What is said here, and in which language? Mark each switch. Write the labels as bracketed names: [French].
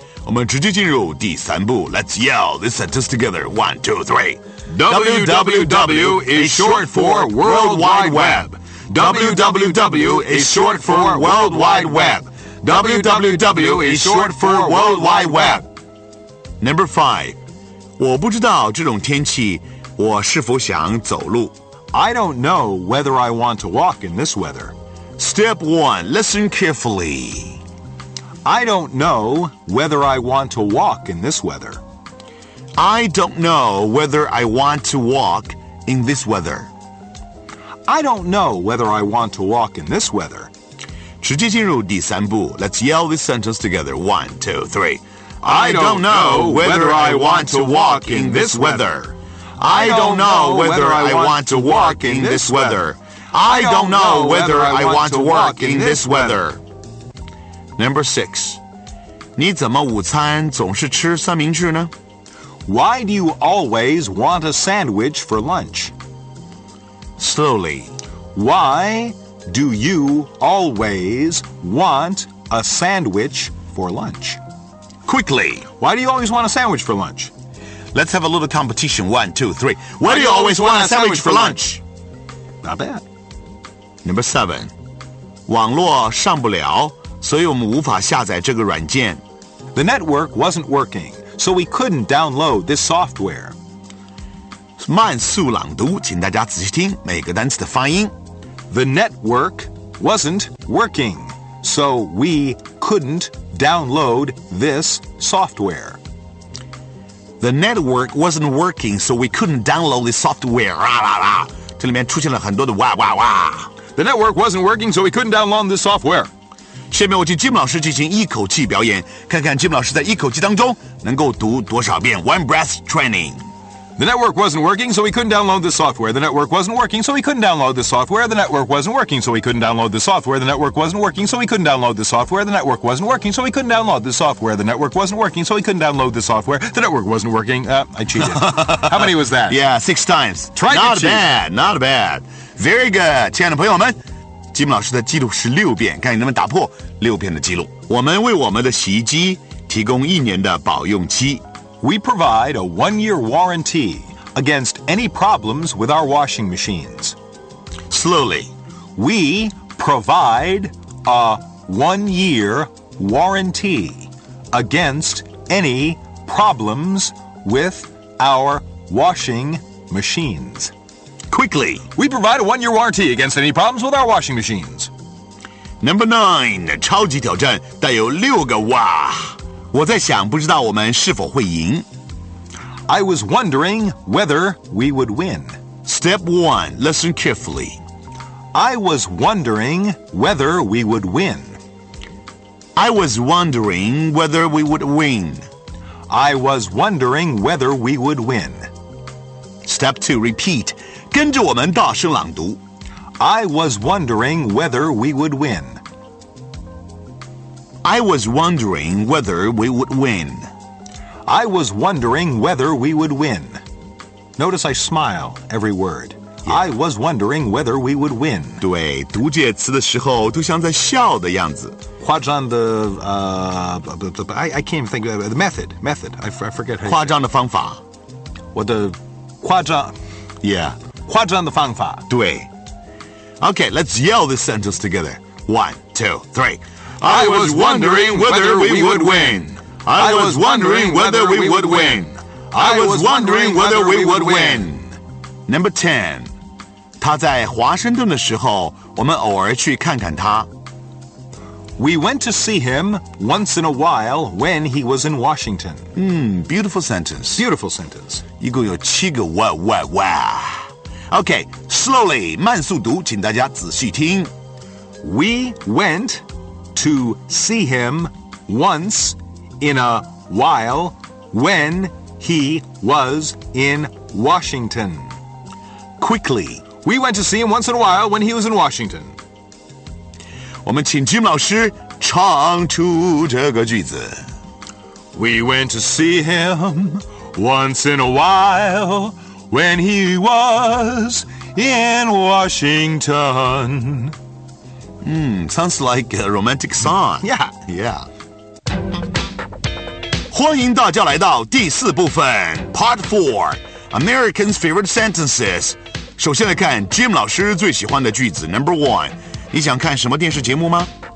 [Chinese] 我们直接进入第三步。 [English] Let's yell this sentence together. One, two, three. WWW is short for World Wide Web. WWW is short for World Wide Web. WWW is short for World Wide Web. Number five. [Chinese] 我不知道这种天气我是否想走路。 [English] I don't know whether I want to walk in this weather. Step one, listen carefully. I don't know whether I want to walk in this weather. I don't know whether I want to walk in this weather. I don't know whether I want to walk in this weather. [Chinese] 直接进入第三步。 [English] Let's yell this sentence together. One, two, three. I don't know whether I want to walk in this weather. I don't know whether I want to walk in this weather. I don't know whether I want to walk in this weather. Number six. [Chinese] 你怎么午餐总是吃三明治呢? [English] Why do you always want a sandwich for lunch? Slowly. Why do you always want a sandwich for lunch? Quickly. Why do you always want a sandwich for lunch? Let's have a little competition. One, two, three. Why do you always want a sandwich for lunch? Not bad. Number seven. [Chinese] 网络上不了，所以我们无法下载这个软件。 [English] The network wasn't working, so we couldn't download this software. [Chinese] 慢速朗读，请大家仔细听每个单词的发音。 [English] The network wasn't working, so we couldn't download this software. The network wasn't working, so we couldn't download the software. Rah, rah, rah. [Chinese] 这里面出现了很多的哇哇哇。 [English] The network wasn't working, so we couldn't download the software. [Chinese] 下面我请 Jim 老师进行一口气表演，看看 Jim 老师在一口气当中能够读多少遍 [English] One breath training. The network wasn't working, so we couldn't download the software. The network wasn't working, so we couldn't download the software. The network wasn't working, so we couldn't download the software. The network wasn't working, so we couldn't download the software. The network wasn't working, so we couldn't download the software. The network wasn't working, so we couldn't download the software. The network wasn't working. I cheated. How many was that? Yeah, six times. Try to cheat. Not bad, not bad. Very good. [Chinese] 亲爱的朋友们，吉姆老师的记录是六遍，看你能不能打破六遍的记录。我们为我们的洗衣机提供一年的保用期。 [English] We provide a one-year warranty against any problems with our washing machines. Slowly. We provide a one-year warranty against any problems with our washing machines. Quickly. We provide a one-year warranty against any problems with our washing machines. Number nine, [Chinese] 超级挑战带有六个哇。我在想不知道我们是否会赢。 [English] I was wondering whether we would win. Step one, listen carefully. I was wondering whether we would win. I was wondering whether we would win. I was wondering whether we would win. Step two, repeat. [Chinese] 跟着我们大声朗读。 [English] I was wondering whether we would win. I was wondering whether we would win. I was wondering whether we would win. Notice I smile every word. Yeah. I was wondering whether we would win. [Chinese] 对，读解词的时候都像在笑的样子。夸张的 [English] I can't even think of the method. I forget. [Chinese] 夸张的方法。我的夸张。 [English] Yeah. [Chinese] 夸张的方法。对。 [English] Okay, let's yell this sentence together. 1, 2, 3. I was wondering whether we would win. I was wondering whether we would win. I was wondering whether we would win. Number 10. [Chinese] 他在华盛顿的时候，我们偶尔去看看他。 [English] We went to see him once in a while when he was in Washington. Beautiful sentence. Beautiful sentence. [Chinese] 一共有七个哇哇哇。 [English] Okay, slowly, [Chinese] 慢速读，请大家仔细听。 [English] We went to see him once in a while when he was in Washington. Quickly. We went to see him once in a while when he was in Washington. [Chinese] 我们请 Jim 老师唱出这个句子。 [English] We went to see him once in a while when he was in Washington. Sounds like a romantic song. Yeah. [Chinese] 欢迎大家来到第四部分 [English] Part 4 American's Favorite Sentences. [Chinese] 首先来看 Jim 老师最喜欢的句子 [English] Number 1 [Chinese] 你想看什么电视节目吗?